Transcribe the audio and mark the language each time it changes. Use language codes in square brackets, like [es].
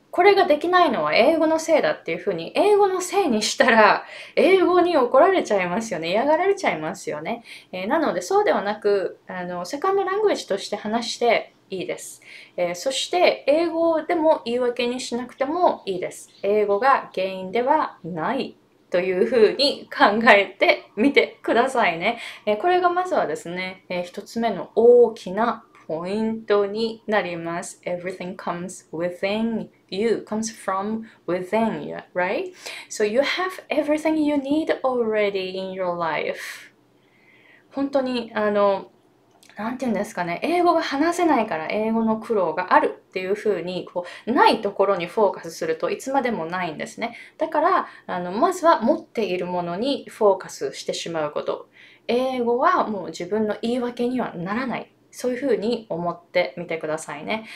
[ja] これができないのは英語のせいだっていうふうに英語のせいにしたら英語に怒られちゃいますよね、嫌がられちゃいますよね、なのでそうではなく、セカンドラングエッジとして話していいです、そして英語でも言い訳にしなくてもいいです。英語が原因ではないというふうに考えてみてくださいね、これがまずはですね、一つ目の大きなポイントになります。 [en] Everything comes withinYou comes from within you, right? So you have everything you need already in your life. [ja] 本当に、なんて言うんですかね、英語が話せないから英語の苦労があるっていうふうに、こう、ないところにフォーカスするといつまでもないんですね。だから、まずは持っているものにフォーカスしてしまうこと。英語はもう自分の言い訳にはならない。そういうふうに思ってみてくださいね。